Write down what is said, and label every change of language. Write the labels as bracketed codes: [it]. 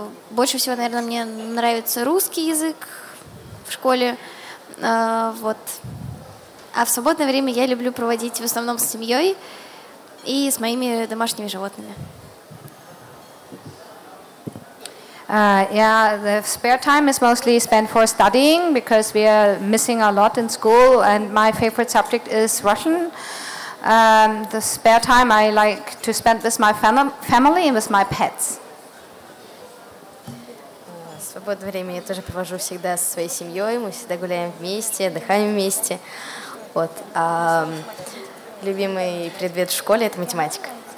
[ru] Больше всего, наверное, мне нравится русский язык в школе. Вот. А в свободное время я люблю проводить в основном с семьей и с моими домашними животными. [en] The spare time is mostly spent for studying because we are missing a lot in school, and my favorite subject is Russian. The spare time I like to spend with my family and with my pets. [ru] Свободное время я тоже провожу всегда со своей семьей. Мы всегда гуляем вместе, отдыхаем вместе. Вот. Любимый предмет в школе — это математика.